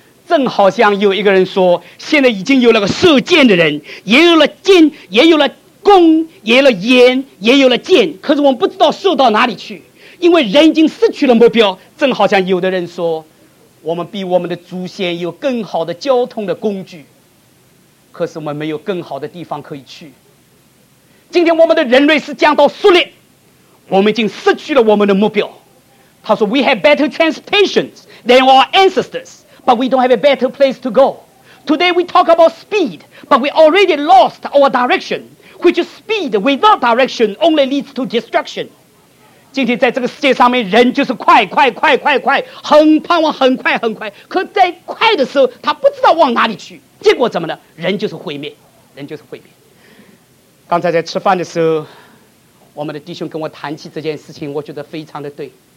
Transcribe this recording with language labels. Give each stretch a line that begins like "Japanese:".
Chinese: 正好像有一个人说，现在已经有了个射箭的人，也有了箭，也有了弓，也有了烟，也有了箭，可是我们不知道射到哪里去，因为人已经失去了目标。正好像有的人说，我们比我们的祖先有更好的交通的工具，可是我们没有更好的地方可以去。今天我们的人类是降到苏联，我们已经失去了我们的目标。他说
English: We have better transportation than our ancestors，But we don't have a better place to go. Today we talk about speed, but we already lost our direction, which speed without direction only leads to destruction.
Chinese: 今天在这个世界上面，人就是快快快快快，很盼望很快很快，可在快的时候，他不知道往哪里去，结果怎么呢？人就是毁灭，人就是毁灭。刚才在吃饭的时候，我们的弟兄跟我谈起这件事情，我觉得非常的对。